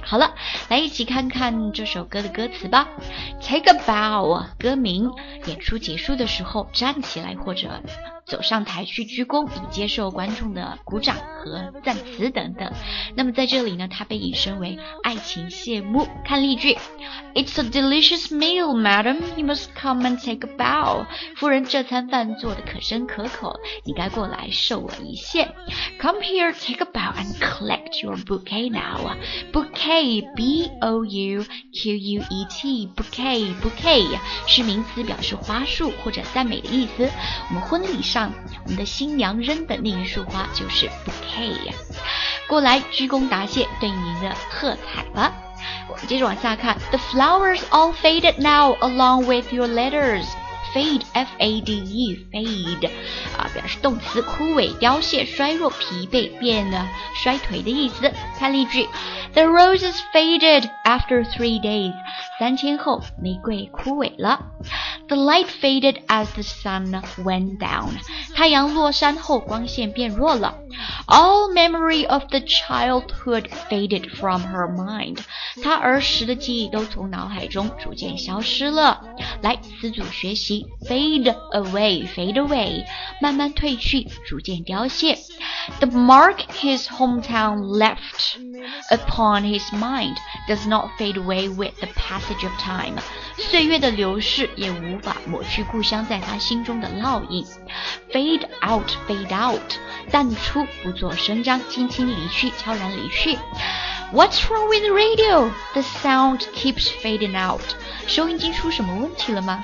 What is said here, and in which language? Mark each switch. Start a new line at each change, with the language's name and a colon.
Chinese: 好了，来一起看看这首歌的歌词吧。
English: Take a bow,
Chinese: 歌名，演出结束的时候站起来或者走上台去鞠躬，以接受观众的鼓掌和赞词等等。那么在这里呢，它被引申为爱情谢幕。看例句
English: It's a delicious meal, madam. You must come and take a bow.
Chinese: 夫人，这餐饭做得可真可口，你该过来受我一谢。
English: Come here, take a bow and collect your bouquet now.
Chinese: Bouquet, B-O-U-Q-U-E-T, bouquet, bouquet 是名词，表示花束或者赞美的意思。我们婚礼上我们的新娘扔的那一束花就是 bouquet， 过来鞠躬答谢，对您的喝彩吧。我们接着往下看
English: The flowers all faded now along with your letters.
Chinese: Fade, F-A-D-E, fade、表示动词，枯萎、凋谢、衰弱、疲惫、变得衰颓的意思。看例句
English: The roses faded after 3 days.
Chinese: 三天后玫瑰枯萎了。
English: The light faded as the sun went down.
Chinese: 太阳落山后光线变弱了。
English: All memory of the childhood faded from her mind.
Chinese: 她儿时的记忆都从脑海中逐渐消失了。来，词组学习 fade away, fade away, 慢慢褪去，逐渐凋谢。
English: The mark his hometown left upon his mind does not fade away with the passage of time.
Chinese: 岁月的流逝也无法抹去故乡在他心中的烙印。 Fade out, fade out, 淡出，不做声张，轻轻离去，悄然离去。
English: What's wrong with the radio? The sound keeps fading out.
Chinese: 收音机出什么问题了吗？